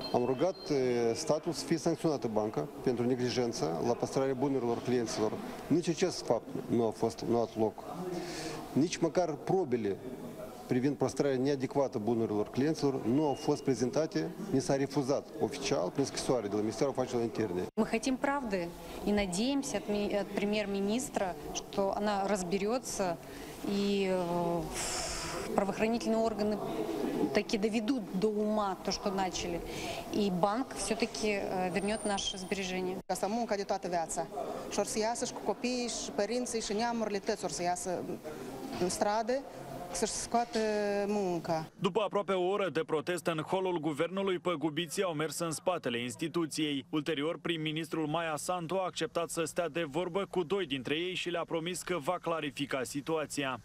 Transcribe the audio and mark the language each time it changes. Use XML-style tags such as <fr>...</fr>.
<ro>Am rugat statul să fie sancționată banca pentru neglijență la păstrarea bunurilor clienților. Nici acest fapt nu a fost luat loc. Nici măcar probele privind păstrarea neadecvată a bunurilor clienților nu au fost prezentate, ni s-a refuzat oficial prin scrisoare de la Ministerul Afacerilor Interne.</ro> <ru>Мы хотим правды и надеемся от премьер-министра, что она разберется и правоохранительные органы таки доведут до ума то, что начали, и банк все-таки вернет наше сбережение.</ru> <ro>Asta munca de toată viața. Și or să iasă și cu copiii, și părinții, și neamurile tăți, or să iasă în stradă, să-și scoată munca. După aproape o oră de protest în holul guvernului, păgubiții au mers în spatele instituției. Ulterior, prim-ministrul Maia Sandu a acceptat să stea de vorbă cu doi dintre ei și le-a promis că va clarifica situația.</ro>